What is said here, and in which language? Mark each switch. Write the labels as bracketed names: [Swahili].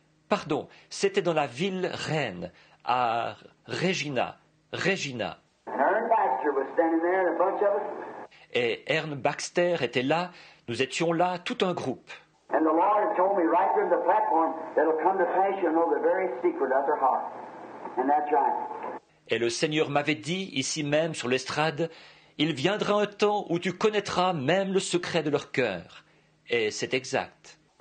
[French] Pardon, c'était dans la ville reine, à Regina. [English] And Ern Baxter was standing there and a bunch of us. [French] Et Ern Baxter était là, nous étions là, tout un groupe. [English] And the Lord told me right there on the platform that it'll come to pass, you'll know the very secret of their heart. And that's right. [French] Et le Seigneur m'avait dit, ici même, sur l'estrade, il viendra un temps où tu connaîtras même le secret de leur cœur. Et c'est exact.